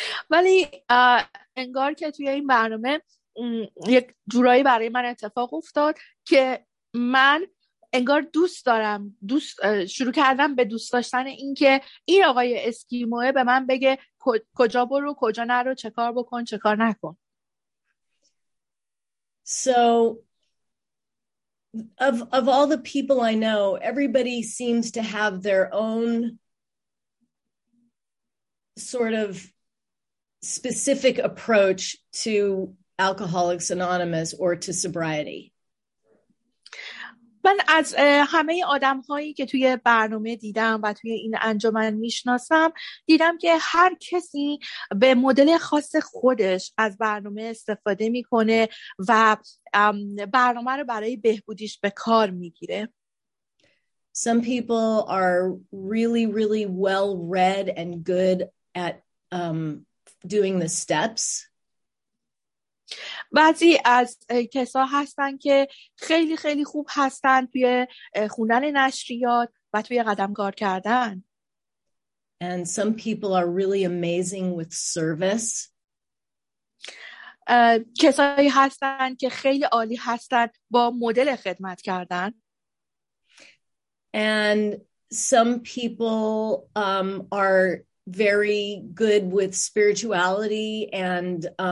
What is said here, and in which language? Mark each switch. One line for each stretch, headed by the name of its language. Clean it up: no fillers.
Persian: ولی انگار که توی این برنامه یک جورایی برای من اتفاق افتاد که من انگار دوست دارم، دوست شروع کردم به دوست داشتن این که این آقای اسکیموه به من بگه کجا برو کجا نرو چه کار بکن چه کار نکن.
English: So of all the people I know, everybody seems to have their own sort of specific approach to Alcoholics Anonymous or to sobriety.
Persian: من از همه آدم هایی که توی برنامه دیدم و توی این انجمن میشناسم دیدم که هر کسی به مدل خاص خودش از برنامه استفاده میکنه و برنامه رو برای بهبودیش به کار میگیره.
English: Some people are really really well read and good at doing the steps.
Persian: بعضی از کسا هستن که خیلی خیلی خوب هستن توی خوندن نشریات و توی قدم کار کردن.
English: And some people are really amazing with service.
Persian: کسایی هستن که خیلی عالی هستن با مدل خدمت کردن.
English: And some people are very good with spirituality and